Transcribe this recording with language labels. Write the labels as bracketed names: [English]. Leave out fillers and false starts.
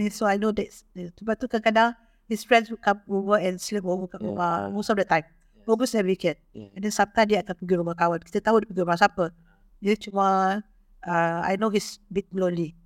[English] So I know that. [Malay] Lepas tu kadang-kadang [English] his friends would come over and sleep over [Malay] kat rumah. [English] Most of the time. [Malay] Bagus saya fikir. Ini Sabta dia akan pergi rumah kawan. Kita tahu dia pergi rumah siapa. Dia cuma, [English] I know he's a bit lonely.